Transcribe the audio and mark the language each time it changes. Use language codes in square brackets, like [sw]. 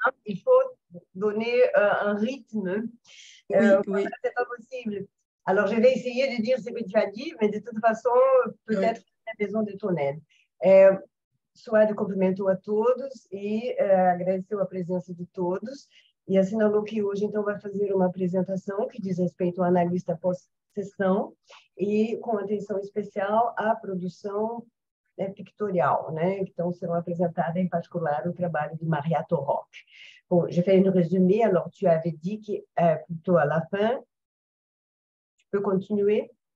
[fr] Il faut donner un rythme. Oui. Voilà, c'est pas possible. Alors, je vais essayer de dire ce que tu as dit, mais de toute façon, peut-être que tu as besoin de ton aide. [pt] Souad cumprimentou a todos e agradeceu a presença de todos e assinalou que hoje então vai fazer uma apresentação que diz respeito ao analista pós-sessão e com atenção especial à produção pictorial, né? Então serão apresentadas em particular o trabalho de Maria Torok. [fr] Bom, j'ai fait un résumé, alors tu avais dit que plutôt à la fin, tu peux continuer?